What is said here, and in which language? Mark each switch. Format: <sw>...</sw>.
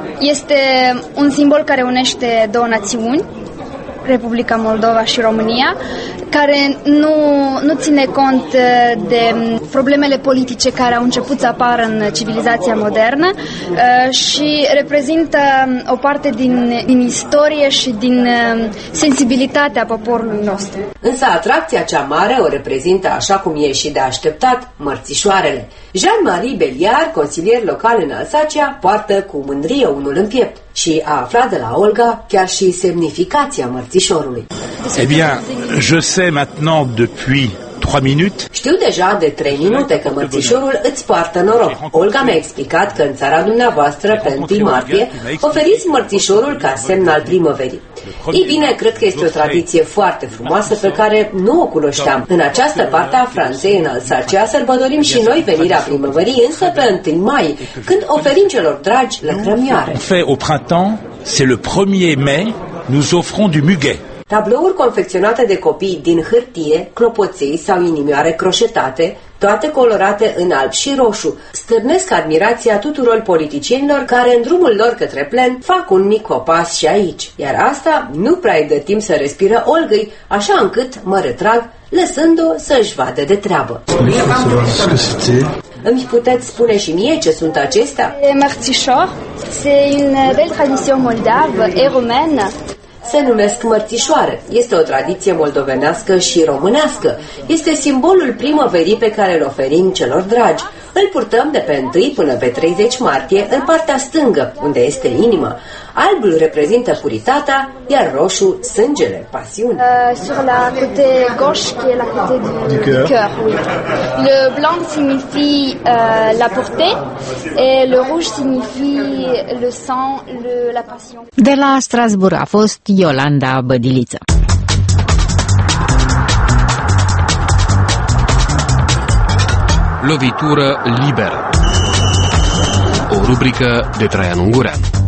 <ro>Este un simbol care unește două națiuni, Republica Moldova și România, care nu ține cont de problemele politice care au început să apară în civilizația modernă și reprezintă o parte din istorie și din sensibilitatea poporului nostru. Însă atracția cea mare o reprezintă, așa cum e și de așteptat, mărțișoarele. Jean-Marie Beliar, consilier local în Alsacia, poartă cu mândrie unul în piept și a aflat de la Olga chiar și semnificația mărțișorului.</ro> <fr>Eh bien, je sais maintenant depuis 3 minutes.</fr> <ro>Știu deja de 3 minute că mărțișorul îți poartă noroc. Olga mi-a explicat că în țara dumneavoastră, pe 1 martie, oferiți mărțișorul ca semn al primăverii. Ei bine, cred că este o tradiție foarte frumoasă pe care nu o cunoșteam. În această parte a Franței, în Alsacia, sărbătorim și noi venirea primăverii, însă pe 1 mai, când oferim celor dragi lăcrămioare.</ro> <fr>Fait au printemps, c'est le 1er mai, nous offrons du muguet.</fr> <ro>Tablouri confecționate de copii din hârtie, clopoței sau inimioare croșetate, toate colorate în alb și roșu, stârnesc admirația tuturor politicienilor care, în drumul lor către plen, fac un mic copas și aici. Iar asta nu prea îi dă timp să respiră Olgăi, așa încât mă retrag, lăsând-o să-și vadă de treabă. Îmi puteți spune și mie ce sunt acestea?</ro> <fr>Mărțișor, c'est une belle tradition moldave et romaine.</fr> <ro>Se numesc mărțișoare. Este o tradiție moldovenească și românească. Este simbolul primăverii pe care îl oferim celor dragi. Îl purtăm de pe 1 până pe 30 martie în partea stângă, unde este inima. Albul reprezintă puritatea, iar roșu sângele, pasiune.</ro> <fr>Sur la côté gauche, qui est la côté du cœur. Oui. Le blanc signifie la pureté et le rouge signifie le sang, la passion.</fr> <ro>De la Strasbourg a fost Iolanda Bădiliță. Lovitură liberă. O rubrică de Traian Ungurean.</ro>